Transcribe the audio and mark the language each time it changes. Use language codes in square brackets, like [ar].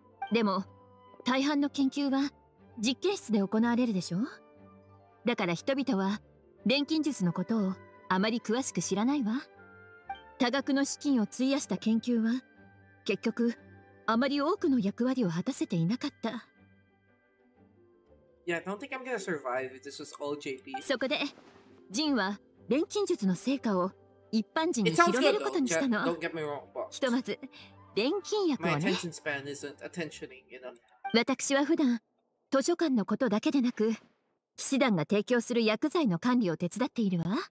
[ja] でも大半の研究は実験室で行われるでしょ。だから人々は錬金術のことをあまり詳しく知らないわ。多額の資金を費やした研究は結局あまり多くの役割を果たせていなかった。 [en] Yeah, I don't think I'm gonna survive if this was all JP. [ja] そこで、ジンは錬金術の成果を一般人に広げることにしたの。 [en] Don't get me wrong, but... [ja] ひとまず、錬金薬をね。 [en] My attention span isn't attentioning, you know? [ja] 私は普段、図書館のことだけでなく、騎士団が提供する薬剤の管理を手伝っているわ。